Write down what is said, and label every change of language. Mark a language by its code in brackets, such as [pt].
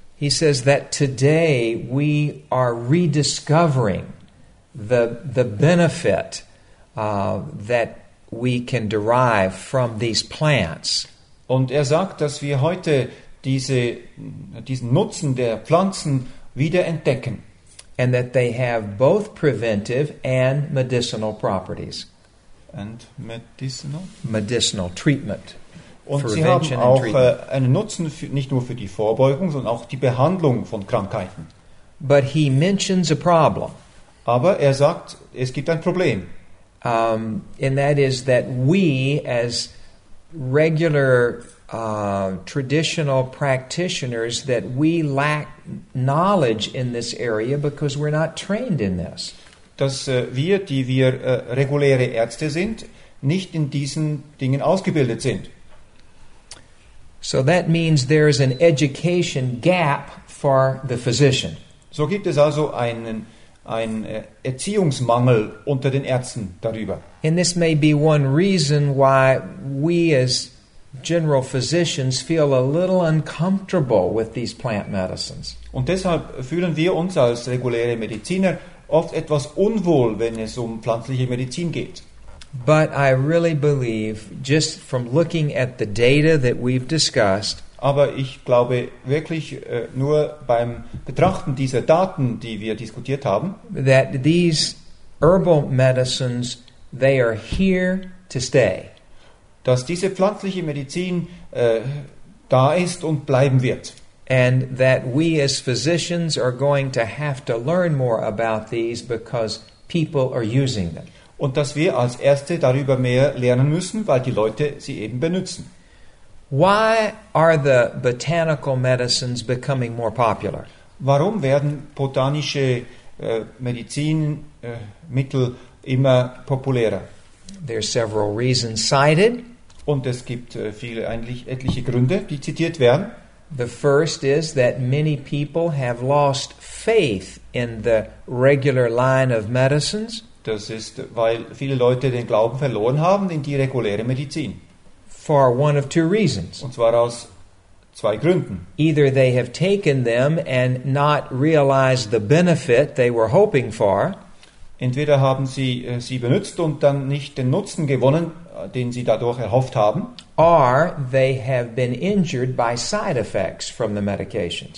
[en] He says that today we are rediscovering the benefit that we can derive from these plants. [de] Und er sagt, dass wir heute diesen Nutzen der Pflanzen wieder entdecken. [en] And that they have both preventive and medicinal properties. And medicinal? Medicinal treatment. [de] Und sie haben auch einen Nutzen für, nicht nur für die Vorbeugung, sondern auch die Behandlung von Krankheiten. [en] But he mentions a problem. [de] Aber er sagt, es gibt ein Problem. [en] And that is that we, as regular traditional practitioners, that we lack knowledge in this area because we're not trained in this. [de] Dass wir, die wir reguläre Ärzte sind, nicht in diesen Dingen ausgebildet sind. [en] So that means there is an education gap for the physician. [de] So gibt es also einen Erziehungsmangel unter den Ärzten darüber. [en] And this may be one reason why we as general physicians feel a little uncomfortable with these plant medicines. [de] Und deshalb fühlen wir uns als reguläre Mediziner oft etwas unwohl, wenn es pflanzliche Medizin geht. [en] But I really believe, just from looking at the data that we've discussed, [de] aber ich glaube wirklich nur beim Betrachten dieser Daten, die wir diskutiert haben, [en] that these herbal medicines, they are here to stay. [de] Dass diese pflanzliche Medizin da ist und bleiben wird. [en] And that we as physicians are going to have to learn more about these because people are using them. [de] Und dass wir als Ärzte darüber mehr lernen müssen, weil die Leute sie eben benutzen. [en] Why are the botanical medicines becoming more popular? [de] Warum werden botanische Medizinmittel immer populärer? [en] There are several reasons cited. [de] Und es gibt viele, eigentlich etliche Gründe, die zitiert werden. [en] The first is that many people have lost faith in the regular line of medicines. [de] Das ist, weil viele Leute den Glauben verloren haben in die reguläre Medizin. [en] For one of two reasons. [de] Und zwar aus zwei Gründen. [en] Either they have taken them and not realized the benefit they were hoping for. [de] Entweder haben sie sie benutzt und dann nicht den Nutzen gewonnen, den sie dadurch erhofft haben. [en] Or they have been injured by side effects from the medications.